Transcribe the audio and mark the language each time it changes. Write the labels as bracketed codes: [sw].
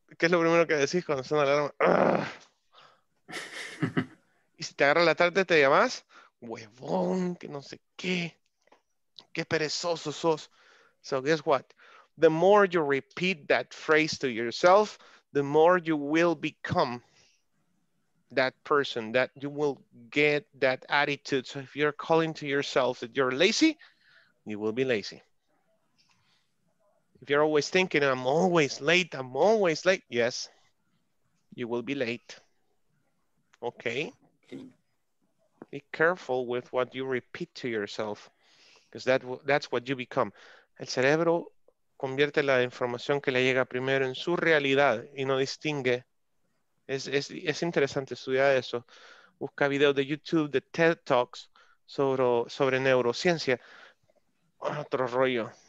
[es] ¿Qué es lo primero que decís cuando suena la alarma? Y si te agarra la tarde, te llamas huevón, que no sé qué. Qué perezoso sos. [en] So guess what? The more you repeat that phrase to yourself, the more you will become that person, that you will get that attitude. So if you're calling to yourself that you're lazy, you will be lazy. If you're always thinking, I'm always late, yes, you will be late. Okay? Be careful with what you repeat to yourself, because that's what you become. [es] El cerebro convierte la información que le llega primero en su realidad y no distingue. Es interesante estudiar eso. Busca videos de YouTube, de TED Talks sobre neurociencia. Otro rollo.